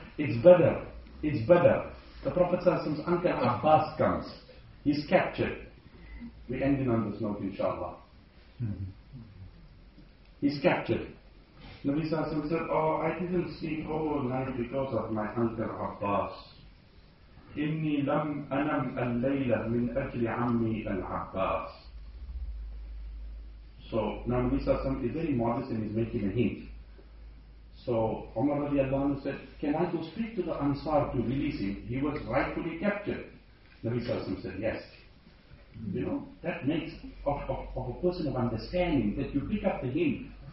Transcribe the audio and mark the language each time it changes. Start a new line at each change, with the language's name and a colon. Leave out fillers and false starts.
English: It's better. It's better. The Prophet ﷺ's uncle Abbas comes. He's captured. We're ending on this note, inshallah. He's captured. Nabi ﷺ said, oh, I didn't sleep all night because of my uncle Abbas.
Arabic: إني لم أنم الليلة من أجل عمي العباس.
English: So now this is a very modest and is making a hint. So Umar radiallahu anhu said, can I go speak to the Ansar to release him? He was rightfully captured. Nabi Sallallahu Alaihi Wasallam said, yes. Mm-hmm. You know, that makes of a person of understanding that you pick up the hint.